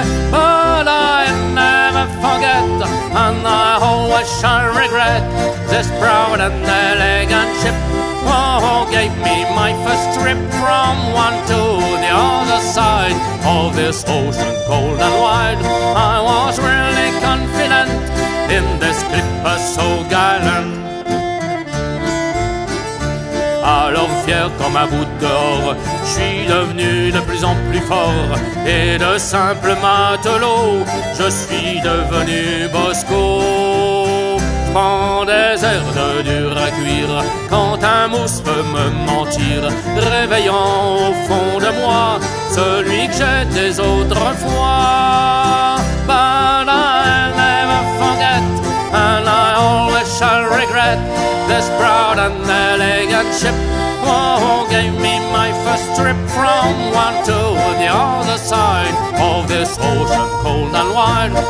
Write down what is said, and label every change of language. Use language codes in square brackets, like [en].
[en] But I never forget, and I always shall regret, this proud and elegant ship, who gave me my first trip, from one to the other side of this ocean cold and wide. I was really confident in this clipper so gallant. [fr] Alors fier comme un bout d'or, je suis devenu de plus en plus fort, et de simple matelot, je suis devenu Bosco. Prends des airs de dur à cuire, quand un mousse peut me mentir, réveillant au fond de moi, celui que j'étais autrefois. [en] But I'll never forget, and I always shall regret, this proud and elegant ship, who gave me my first trip, from one to the other side of this ocean cold and wild.